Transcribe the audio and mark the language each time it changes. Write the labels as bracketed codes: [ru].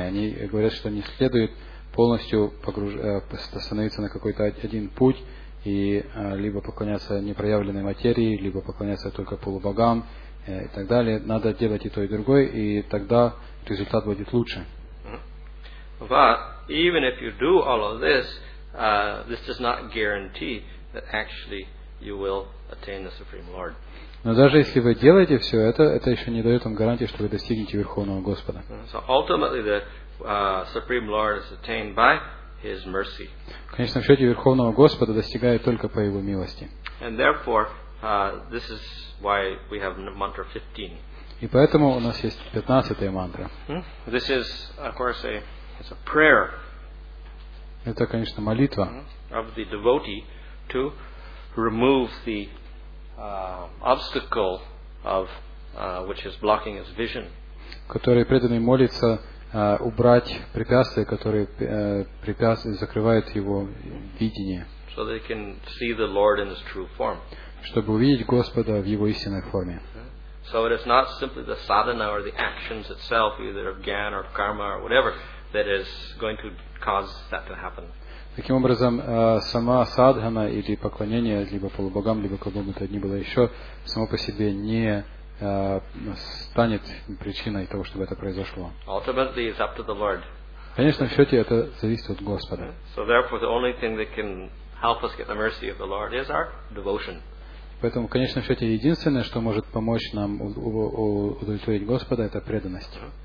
[ru] Они говорят, что не следует полностью становиться на какой-то один путь и либо поклоняться непроявленной материи, либо поклоняться только полубогам. и так далее. Надо делать и то, и другое, и тогда результат будет лучше. [en] But even if you do all of this, this does not guarantee that actually you will attain the Supreme Lord. [ru] Но даже если вы делаете все это еще не дает вам гарантии, что вы достигнете Верховного Господа. [en] So ultimately the Supreme Lord is attained by His mercy. [ru] Конечно, в счете Верховного Господа достигает только по Его милости. [en] And therefore, this is why we have mantra 15. [ru] И поэтому у нас есть 15-я мантра. [en] This is, of course, it's a prayer. [ru] Это, конечно, молитва. [en] Of the devotee to remove the obstacle of which is blocking his vision. [ru] Который преданный молится убрать препятствия, которые закрывают его видение. [en] So they can see the Lord in His true form. [ru] Чтобы увидеть Господа в Его истинной форме. [en] So it is not simply the sadhana or the actions itself, either of gyan or of karma or whatever, that is going to cause that to happen. [ru] Таким образом, сама садхана или поклонение либо полубогам, либо кому-то это ни было еще, само по себе не станет причиной того, чтобы это произошло. [en] Ultimately, it's up to the Lord. [ru] Конечно, в счете это зависит от Господа. [en] So therefore, the only thing that can help us get the mercy of the Lord is our devotion. [ru] Поэтому, в конечном счете, единственное, что может помочь нам удовлетворить Господа, это преданность.